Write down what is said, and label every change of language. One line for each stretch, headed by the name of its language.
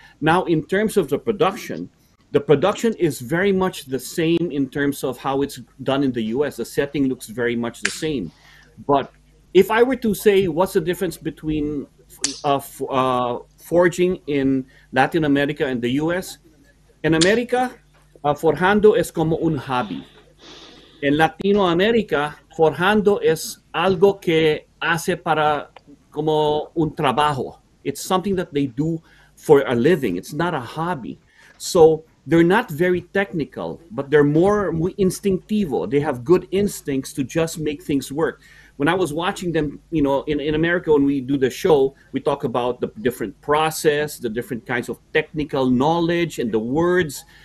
English: Now, in terms of the production is very much the same in terms of how it's done in the US. The setting looks very much the same. But if I were to say, what's the difference between forging in Latin America and the US? In America,
Spanish: forjando es como un hobby. En Latinoamérica, forjando es algo que hace para como un trabajo.
English: It's something that they do for a living. It's not a hobby. So they're not very technical, but they're more
Spanish: muy instintivo.
English: They have good instincts to just make things work. When I was watching them, you know, in America, when we do the show, we talk about the different process, the different kinds of technical knowledge and the words.